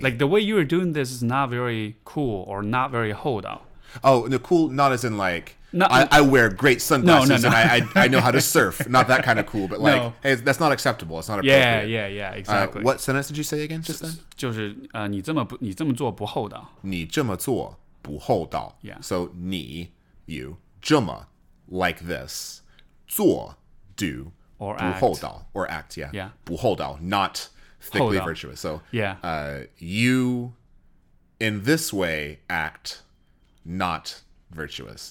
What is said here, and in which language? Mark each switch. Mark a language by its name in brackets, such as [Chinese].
[English] Like, the way you are doing this is not very cool or not very 厚道. Oh, no, cool, not as in like, I wear great sunglasses and I know how to surf. Not that kind of cool, but like, hey, that's not acceptable. It's not appropriate. Yeah, exactly. What sentence did you say again just then? [Chinese] 就是, 你这么做不厚道。你这么做不厚道。 [English] Yeah. So, 你, you, 这么, like this, 做, do, or 不厚道, act. Or act, 不厚道, not thickly virtuous. So yeah, you in this way act not virtuous.